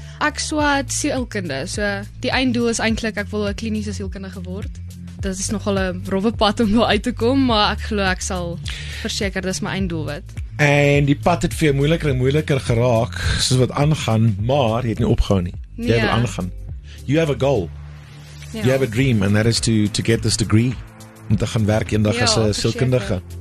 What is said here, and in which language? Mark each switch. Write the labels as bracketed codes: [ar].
[af] Ek swat sielkunde, so die einddoel is eintlik ek wil 'n kliniese sielkundige word. Dit is nogal 'n rowwe pad om daar uit te kom, maar ek glo ek sal verseker, dis my einddoel wat. En die pad het veel moeiliker en moeiliker geraak, soos wat aangaan, maar jy het nie opgehou nie. Nee. Jy wil aangaan. [en] You have a goal. [af] Ja. [en] You have a dream, and that is to get this degree. [af] Om te gaan werk eendag as 'n sielkundige.